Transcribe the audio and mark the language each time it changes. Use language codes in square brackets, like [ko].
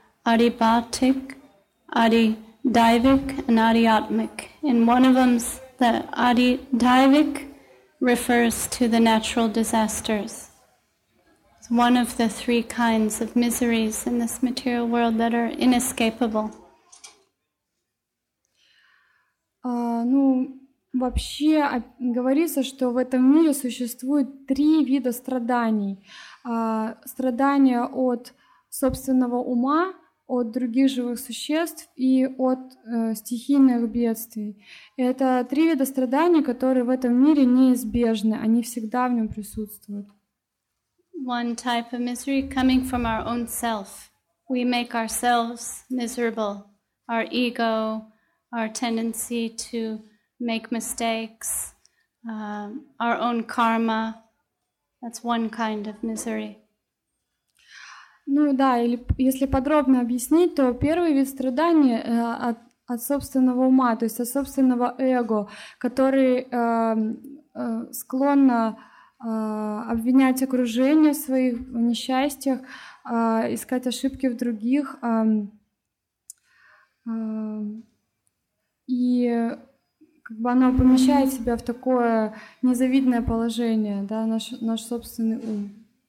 [en] Adibhautik, adidaivik, and adiatmik. In one of them, the adidaivik refers to the natural disasters. It's one of the three kinds of miseries in this material world that are inescapable. [ru] Ну, вообще говорится, что в этом мире существует три вида страданий. Страдания от собственного ума, от других живых существ и от стихийных бедствий. Это три вида страданий, которые в этом мире неизбежны, они всегда в нем присутствуют. [en] One type of misery coming from our own self. We make ourselves miserable. Our ego, our tendency to make mistakes, our own karma. That's one kind of misery. [ru] Ну да, или если подробно объяснить, то первый вид страдания от собственного ума, то есть от собственного эго, который склонно обвинять окружение в своих несчастьях, искать ошибки в других и как бы оно помещает себя в такое незавидное положение, да, наш собственный ум.